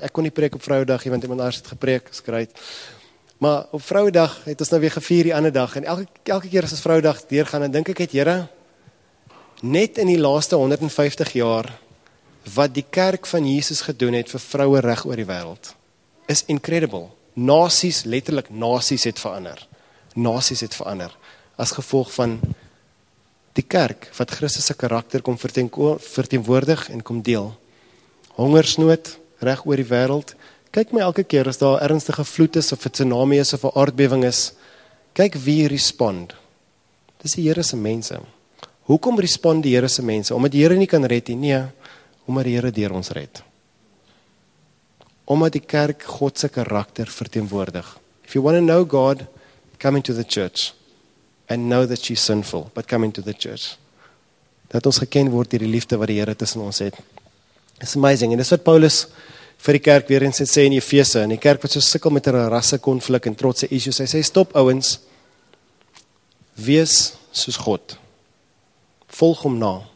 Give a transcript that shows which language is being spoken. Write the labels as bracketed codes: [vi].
[af] Ek kon nie preek op Vrouedag nie want iemand anders het gepreek, skryt. Maar op Vrouedag het ons nou weer gevier die ander dag en elke keer as ons Vrouedag deurgaan, dan dink ek het Here net in die laaste 150 jaar wat die kerk van Jesus gedoen het vir vroue reg oor die wêreld. [en] Is incredible. [af] Nasies, letterlik nasies het verander. Nasies het verander as gevolg van die kerk wat Christus se karakter kom verteenwoordig en kom deel. Hongersnood reg oor die wêreld. Kyk my elke keer as daar ernstige vloed is of 'n tsunami is of 'n aardbewing is, kyk wie respond. Dis die Here se mense. Hoekom respond die Here se mense? Omdat die Here nie kan red nie. Nee, omdat die Here deur ons red. Omdat die kerk God se karakter verteenwoordig. [en] If you want to know God, come into the church. And know that she's sinful, but come into the church. [af] Dat ons geken word deur die liefde wat die Here tussen ons het. [en] It's amazing. [af] En dis wat Paulus vir die kerk weer eens sê in Efese, in die kerk wat so sukkel met 'n rassekonflik en trotse issues. Hy sê stop ouens. Wees soos God. Volg hom na.